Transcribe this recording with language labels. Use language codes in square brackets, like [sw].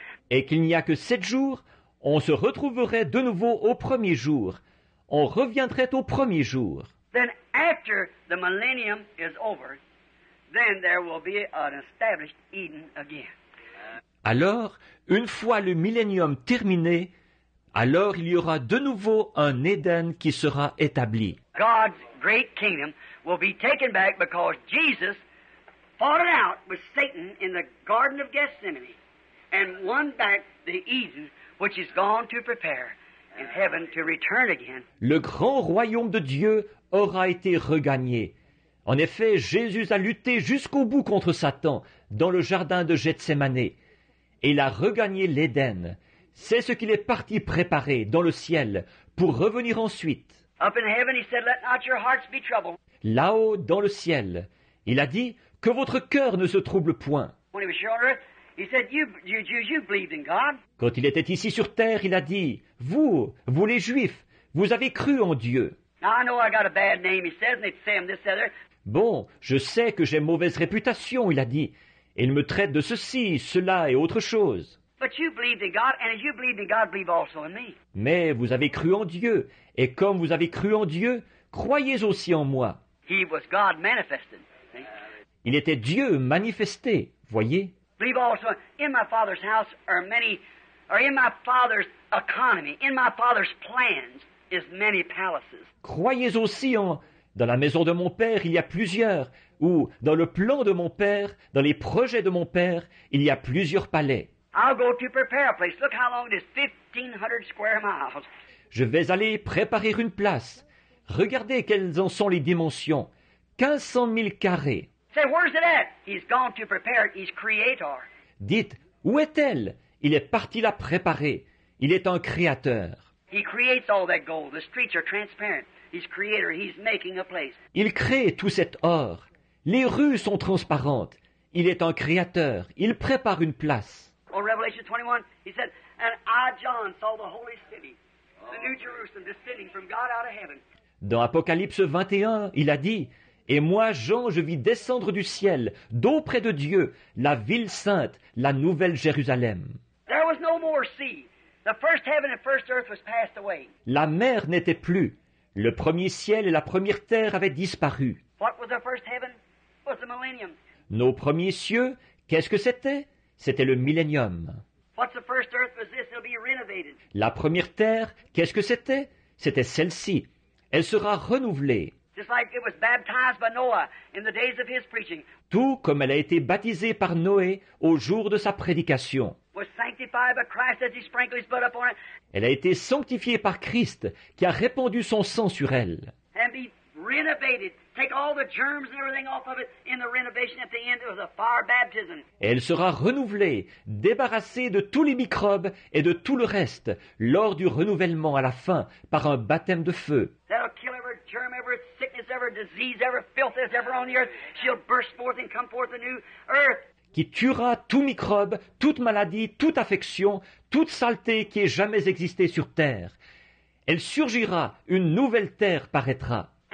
[fr] Et qu'il n'y a que sept jours, on se retrouverait de nouveau au premier jour. On reviendrait au premier jour. [en] Then after the millennium is over, then there will be an established Eden again. [fr] Alors, une fois le millénium terminé, alors il y aura de nouveau un Éden qui sera établi. [en] God's great kingdom will be taken back because Jesus fought it out with Satan in the Garden of Gethsemane and won back the Eden which is gone to prepare in heaven to return again. [fr] Le grand royaume de Dieu aura été regagné. En effet, Jésus a lutté jusqu'au bout contre Satan dans le jardin de Gethsemane et il a regagné l'Éden. C'est ce qu'il est parti préparer dans le ciel pour revenir ensuite. [en] Up in heaven, he said, let not your hearts be troubled. [fr] Là-haut, dans le ciel, il a dit, que votre cœur ne se trouble point. [en] When he was here on earth, he said, you believed in God. [fr] Quand il était ici sur terre, il a dit, vous les Juifs, vous avez cru en Dieu. [en] Now, I know I got a bad name, he says, and they say I'm this other. [fr] Bon, je sais que j'ai mauvaise réputation, il a dit. Et il me traite de ceci, cela et autre chose. [en] But you believed in God, and as you believed in God, believe also in me. [fr] Mais vous avez cru en Dieu, et comme vous avez cru en Dieu, croyez aussi en moi. [en] He was God manifested. [fr] Il était Dieu manifesté, voyez. [en] Believe also in my Father's house are many, or in my Father's economy, in my Father's plans is many palaces. [fr] Croyez aussi en, dans la maison de mon Père, il y a plusieurs, ou dans le plan de mon Père, dans les projets de mon Père, il y a plusieurs palais. [en] I'll go to prepare a place. Look how long it is, 1,500 square miles. [fr] Je vais aller préparer une place. Regardez quelles en sont les dimensions. 1,500 mille carrés. [en] Say, where's it at? He's gone to prepare it. He's creator. [fr] Dites, où est-elle? Il est parti la préparer. Il est un créateur. [en] He creates all that gold. The streets are transparent. He's creator. He's making a place. [fr] Il crée tout cet or. Les rues sont transparentes. Il est un créateur. Il prépare une place. [en] Oh, Revelation 21, he said, and I, John, saw the holy city, the new Jerusalem, descending from God out of heaven. [fr] Dans Apocalypse 21, il a dit, et moi, Jean, je vis descendre du ciel, d'auprès de Dieu, la ville sainte, la nouvelle Jérusalem. [en] There was no more sea. The first heaven and first earth was passed away. [fr] La mer n'était plus. Le premier ciel et la première terre avaient disparu. [en] What was the first heaven? It was the millennium. [fr] Nos premiers cieux, qu'est-ce que c'était? C'était le millénium. [en] What's the first earth was this? It'll be renovated. [fr] La première terre, qu'est-ce que c'était? C'était celle-ci. Elle sera renouvelée. [en] Just like it was baptized by Noah in the days of his preaching. [fr] Tout comme elle a été baptisée par Noé au jour de sa prédication. [en] Was sanctified by Christ as he sprinkled his blood upon it. [fr] Elle a été sanctifiée par Christ qui a répandu son sang sur elle. [en] And be renovated. Take all the germs and everything off of it in the renovation at the end of the fire baptism. [fr] Elle sera renouvelée, débarrassée de tous les microbes et de tout le reste lors du renouvellement à la fin par un baptême de feu. [en] That'll kill every germ, every sickness, every disease, every filth that's ever on the earth. She'll burst forth and come forth a new earth. [fr] Qui tuera tout microbe, toute maladie, toute affection, toute saleté qui ait jamais existé sur terre. Elle surgira, une nouvelle terre paraîtra.